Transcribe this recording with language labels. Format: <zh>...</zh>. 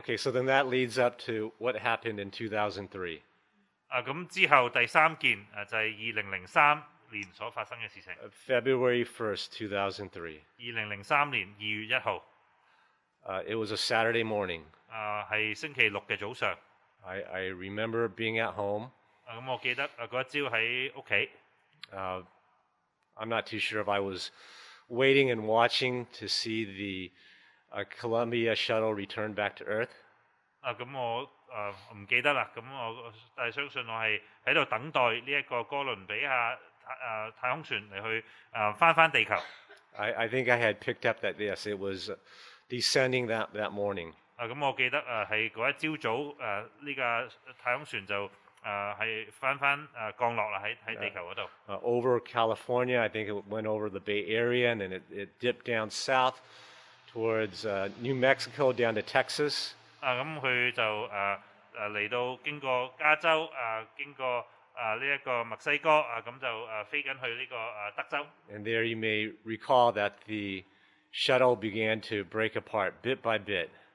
<en>Okay, so then that leads up to what happened in 2003.</en> <yue>咁之後第三件就係2003年所發生嘅事情。</yue> <en>February 1st, 2003.</en> <yue>2003年2月1日。</yue> <en>It was a Saturday morning.</en> <yue>係星期六嘅早上。</yue> <en>I remember being at home.</en> <yue>咁我記得嗰一朝喺屋企。</yue> <en>I'm not too sure if I was waiting and watching to see the a Columbia shuttle returned back to Earth.</en> <yue>咁我唔記得啦。咁我但係相信我係喺度等待呢一個哥倫比亞太空船嚟去翻地球。</yue> <en>I think I had picked up that yes, it was descending that morning.</en> <yue>咁我記得係嗰一朝早呢架太空船就係翻降落啦喺地球嗰度。</yue> <en>Over California, I think it went over the Bay Area and then it dipped down south. Towards New Mexico down to Texas.</en> <yue>咁佢就嚟到經過加州經過呢一個墨西哥咁就飛緊去呢個德州。</yue> <en>And there you may recall that the shuttle began to break apart bit by bit.</en>